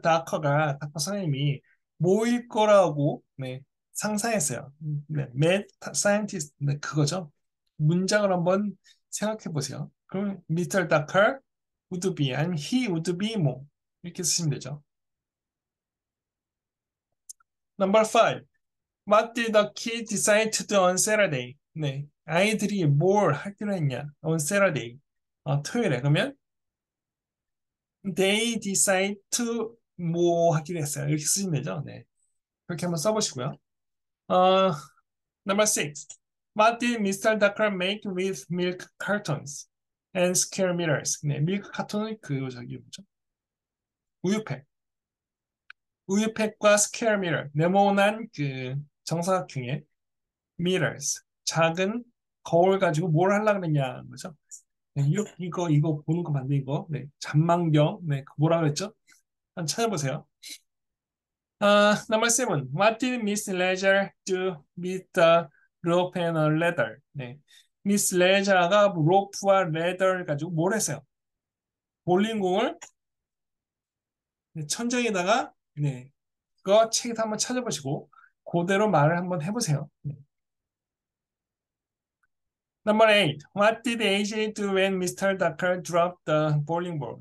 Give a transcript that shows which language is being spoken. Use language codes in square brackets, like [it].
[ko] Ducker가, 닥터 선생님이 뭐일 거라고 네, 상상했어요. 네. [en] Mad scientist. [ko] 네, 그거죠. 문장을 한번 생각해 보세요. 그럼 [en] 미스터 다커 우드 비 [ko] 아니면 [en] 히 우드 비뭐 [ko] 이렇게 쓰시면 되죠. [en] Number 5. What did the kid decide to do on Saturday? [ko] 네. 아이들이 뭘 하기로 했냐? [en] On Saturday. [ko] 토요일에. 그러면 [en] they decide to [ko] 뭐 하기로 했어요. 이렇게 쓰시면 되죠. 네. 그렇게 한번 써보시고요. [en] Number six. What did Mr. Ducker make with milk cartons and square meters? [ko] 네, 밀크 카톤은 그 저기 뭐죠? 우유팩. 우유팱과 스퀘어 미러, 네모난 그 정사각형의 미러스, 작은 거울 가지고 뭘 하려고 그랬냐는 거죠. 네, 이거 보는 거 맞네 이거. 네, 잔망경. 네, 뭐라 그랬죠? 한번 찾아보세요. Number 7. [en] What did Miss Leisure do with the rope and a ladder? [ko] 네, Miss Leisure가 로프와 레더를 가지고 뭘 했어요? 볼링공을 천장에다가 네, 그거 책에서 한번 찾아보시고 그대로 말을 한번 해보세요. 네. [en] Number 8. What did AJ do when Mr. Ducker dropped the bowling ball?